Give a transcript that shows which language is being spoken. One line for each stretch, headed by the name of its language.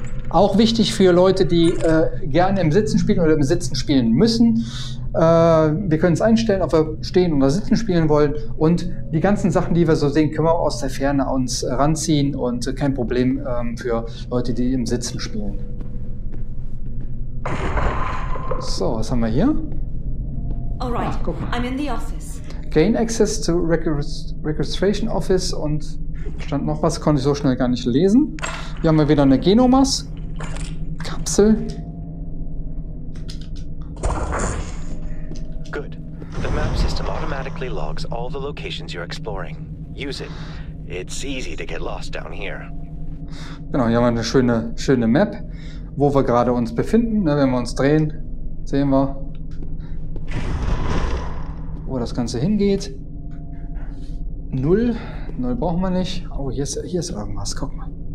German: Auch wichtig für Leute, die gerne im Sitzen spielen oder im Sitzen spielen müssen. Wir können es einstellen, ob wir stehen oder sitzen spielen wollen. Und die ganzen Sachen, die wir so sehen, können wir aus der Ferne uns ranziehen. Und kein Problem für Leute, die im Sitzen spielen. So, was haben wir hier?
English: Alright,
German: ach, guck mal.
English: I'm in the office. Gain access to registration office
German: und stand noch was, konnte ich so schnell gar nicht lesen. Hier haben wir wieder eine Genomas. Kapsel.
English: Good. The map system automatically logs all the locations you're exploring. Use it. It's easy to get lost down here.
German: Genau, hier haben wir eine schöne Map, wo wir gerade uns befinden. Wenn wir uns drehen, sehen wir, wo das Ganze hingeht. Null brauchen wir nicht. Oh, hier ist irgendwas. Guck mal.